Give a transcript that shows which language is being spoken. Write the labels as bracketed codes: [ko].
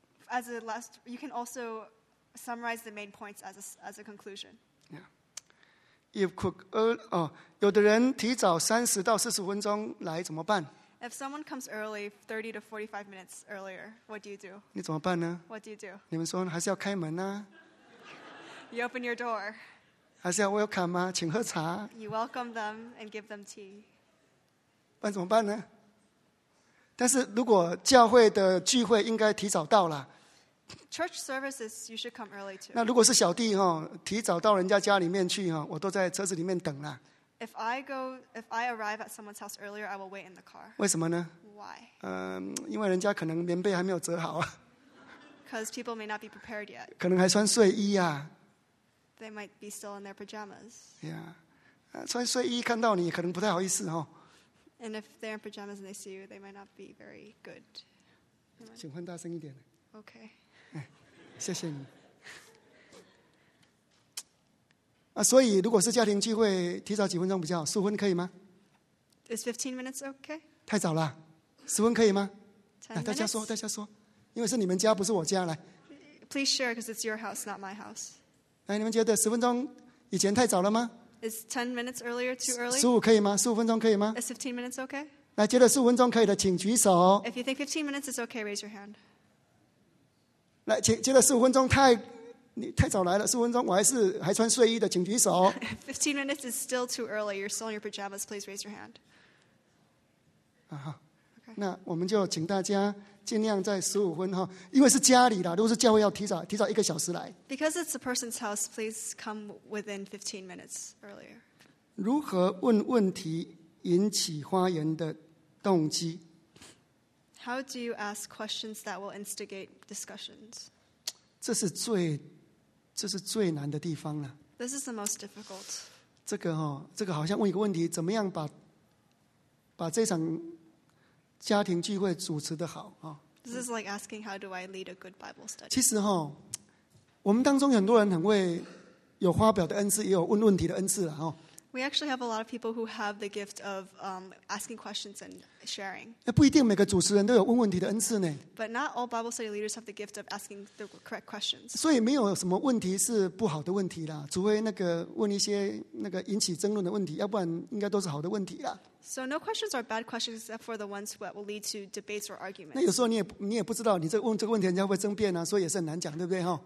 [en] As a last, you can also summarize the main points as a conclusion. Yeah. If cook, [zh] 有的人提早 [en] 30 to 40 minutes [zh] 来怎么办？ [en] If someone comes early, 30 to 45 minutes earlier, what do you do? [zh] 你怎么办呢? [en] What do you do? [zh] 你们说还是要开门啊? [en] You open your door. [zh] 还是要 welcome 啊? 请喝茶。 [en] You welcome them and give them tea. [zh] 不然怎么办呢? 但是如果教会的聚会应该提早到了。 [en] Church services, you should come early too. [zh] 那如果是小弟哦,提早到人家家里面去哦,我都在车子里面等了。 [en] If I arrive at someone's house earlier, I will wait in the car. [zh] 为什么呢? [en] Why? [zh] 因为人家可能棉被还没有折好啊。 [en] Because people may not be prepared yet. [zh] 可能还穿睡衣啊。 [en] They might be still in their pajamas. Yeah. [zh] 穿睡衣看到你可能不太好意思哦。 [en] And if they're in pajamas and they see you, they might not be very good. [zh] 请换大声一点。 [en] Okay. [zh] 谢谢你。啊、所以如果是家庭聚会提早几分钟比较好15分可以吗 [en] Is 15 minutes okay? [zh] 太早了10分可以吗 [en] 10 minutes? [zh] 大家说大家说因为是你们家不是我家来 [en] Please share because it's your house not my house [zh] 来你们觉得10分钟以前太早了吗 [en] Is 10 minutes earlier too early? [zh] 15可以吗15分钟可以吗 [en] Is 15 minutes okay? [zh] 来觉得15分钟可以的请举手 [en] If you think 15 minutes is okay raise your hand [zh] 来请觉得15分钟你太早来了，15分钟，我还穿睡衣的，请举手。 [en] 15 minutes is still too early. You're still in your pajamas. Please raise your hand. 啊哈， okay. [zh] 那我们就请大家尽量在15分哈，因为是家里的，如果是教会要提早一个小时来。 [en] Because it's a person's house, please come within 15 minutes earlier. [zh] 如何问问题引起发言的动机 [en] ？How do you ask questions that will instigate discussions？ [zh] 这是最难的地方了。 [en] This is the most difficult. [zh] 这个哈、哦，这个好像问一个问题：怎么样把这场家庭聚会主持的好啊、 [en] 哦、？This is like asking how do I lead a good Bible study. [zh] 其实哈、哦，我们当中很多人很会有发表的恩赐，也有问问题的恩赐了哈、哦。 [en] We actually have a lot of people who have the gift of asking questions and sharing. [zh] 不一定每个主持人都有问问题的恩赐呢。 [en] But not all Bible study leaders have the gift of asking the correct questions. [zh] 所以没有什么问题是不好的问题啦，除非那个问一些那个引起争论的问题，要不然应该都是好的问题啦。 [en] So no questions are bad questions except for the ones that will lead to debates or arguments. [zh] 那有时候你也不知道你这问这个问题人家会争辩啊，所以也是很难讲，对不对哈